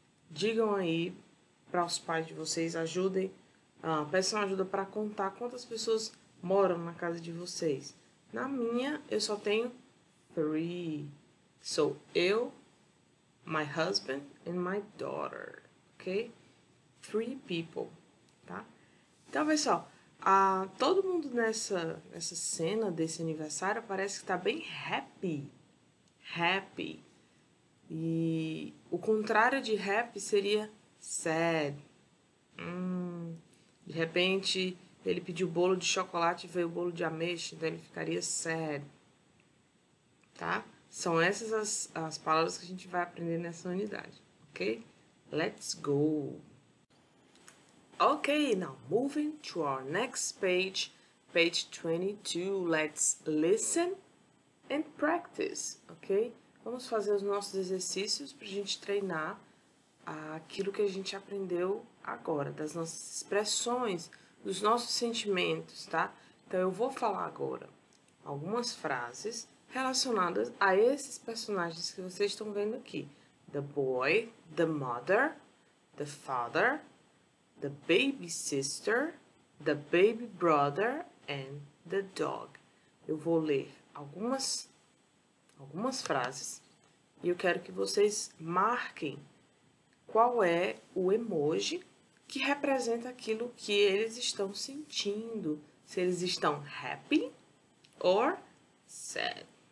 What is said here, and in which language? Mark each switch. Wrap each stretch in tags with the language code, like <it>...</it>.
<pt>Digam aí para os pais de vocês, ajudem, peçam ajuda para contar quantas pessoas moram na casa de vocês. Na minha, eu só tenho three. Sou eu,</pt> <en>my husband and my daughter,</en> <pt>ok?</pt> <en>Three people.</en> <pt>Tá? Então, pessoal, todo mundo nessa cena desse aniversário parece que tá bem happy. Happy. E o contrário de happy seria sad. De repente, ele pediu bolo de chocolate e veio bolo de ameixa, então ele ficaria sad. Tá? São essas as palavras que a gente vai aprender nessa unidade, ok?</pt> <en>Let's go! Okay, now moving to our next page, page 22. Let's listen and practice, ok?</en> <pt>Vamos fazer os nossos exercícios para a gente treinar aquilo que a gente aprendeu agora, das nossas expressões, dos nossos sentimentos, tá? Então eu vou falar agora algumas frases relacionadas a esses personagens que vocês estão vendo aqui:</pt> <en>the boy, the mother, the father. The baby sister, the baby brother and the dog.</en> <pt>Eu vou ler algumas frases e eu quero que vocês marquem qual é o emoji que representa aquilo que eles estão sentindo, se eles estão</pt> <en>happy or sad.</en>